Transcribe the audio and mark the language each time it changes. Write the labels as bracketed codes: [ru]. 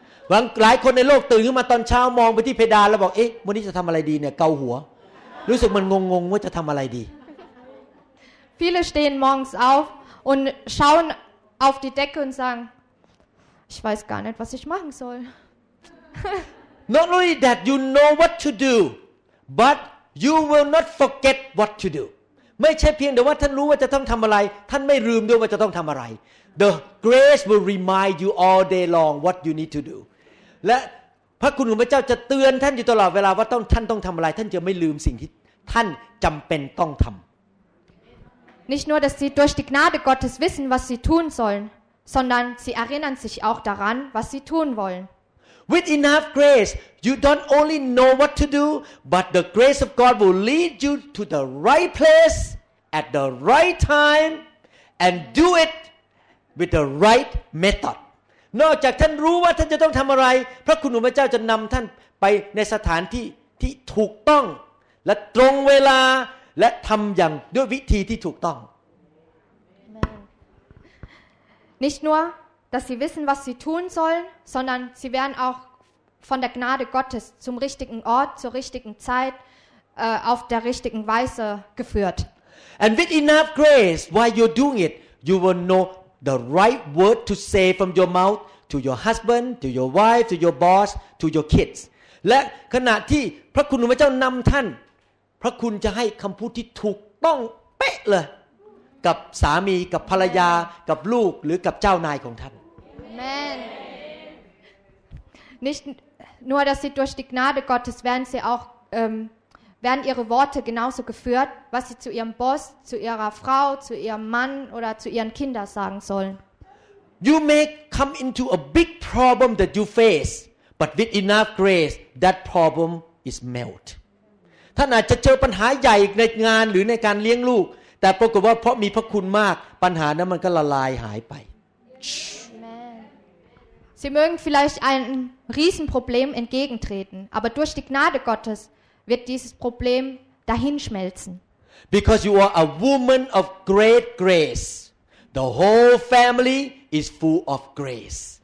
[th] บางหลายคนในโลกตื่นขึ้นมาตอนเช้ามองไปที่เพดานแล้วบอกเอ๊ะวันนี้จะทำอะไรดีเนี่ยเกาหัวรู้สึกมันงงๆว่าจะทำอะไรดี [de] Viele stehen morgens auf und schauen auf die Decke und sagen, ich weiß gar nicht, was ich machen soll. [en] Not only that you know what to do, but you will not forget what to do. [th] ไม่ใช่เพียงแต่ว่าท่านรู้ว่าจะต้องทำอะไรท่านไม่ลืมด้วยว่าจะต้องทำอะไร [en] The grace will remind you all day long what you need to do. [th] และพระคุณของพระเจ้าจะเตือนท่านอยู่ตลอดเวลาว่าท่านต้องทำอะไรท่านจะไม่ลืมสิ่งที่ท่านจำเป็นต้องทำ [de] Nicht nur, dass Sie durch die Gnade Gottes wissen, was Sie tun sollen, sondern Sie erinnern sich auch daran, was Sie tun wollen. [en] With enough grace, you don't only know what to do, but the grace of God will lead you to the right place at the right time and do it with the right method. [th] นอกจากท่านรู้ว่าท่านจะต้องทำอะไรพระคุณของพระเจ้าจะนำท่านไปในสถานที่ที่ถูกต้องและตรงเวลาและทำอย่างด้วยวิธีที่ถูกต้อง [de] Nicht nurDass sie wissen, was sie tun sollen, sondern sie werden auch von der Gnade Gottes zum richtigen Ort, zur richtigen Zeit, auf der richtigen Weise geführt. [en] And with enough grace, while you're doing it, you will know the right word to say from your mouth to your husband, to your wife, to your boss, to your kids. [th] และขณะที่พระคุณของพระเจ้านำท่านพระคุณจะให้คำพูดที่ถูกต้องเป๊ะเลยกับสามีกับภรรยากับลูกหรือกับเจ้านายของท่าน [de] Amen Nicht nur dass sie durch die Gnade Gottes werden sie auch werden ihre Worte genauso geführt was sie zu ihrem Boss zu ihrer Frau zu ihrem Mann oder zu ihren Kindern sagen sollen [en] You may come into a big problem that you face but with enough grace that problem is melt [th] ท่านอาจจะเจอปัญหาใหญ่ในงานหรือในการเลี้ยงลูกแต่ปรากฏว่าเพราะมีพระคุณมากปัญหานั้นมันก็ละลายหายไป [en] Amen. [de] Sie mögen vielleicht ein Riesenproblem entgegentreten, aber durch die Gnade Gottes wird dieses Problem dahinschmelzen. [en] Because you are a woman of great grace, the whole family is full of grace.